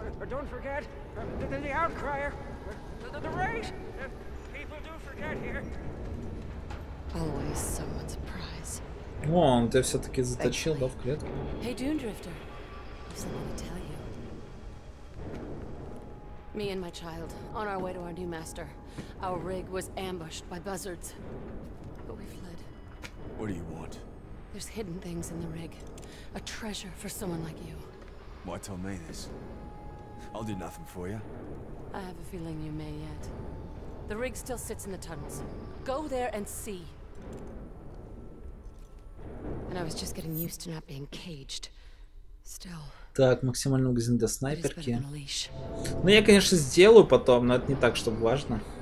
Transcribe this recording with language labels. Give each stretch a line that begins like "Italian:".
English: Don't forget the outcryer. The race. People do forget here. Always someone's a prize.
Russian: О, он тебя все-таки заточил, да, в клетку?
English: Hey, Dune Drifter. I've something to tell you. Me and my child, on our way to our new master. Our rig was ambushed by buzzards. But we fled. What do you want? There's hidden things in the rig. A treasure for someone like you. Why tell me this? I'll do nothing for you. I have a feeling you may yet. The rig still sits in the tunnels. Go there and see. And I was just getting used to not being caged. Still.
Russian: Так, максимальный магазин для снайперки. Ну я, конечно, сделаю потом, но это не так, чтобы важно.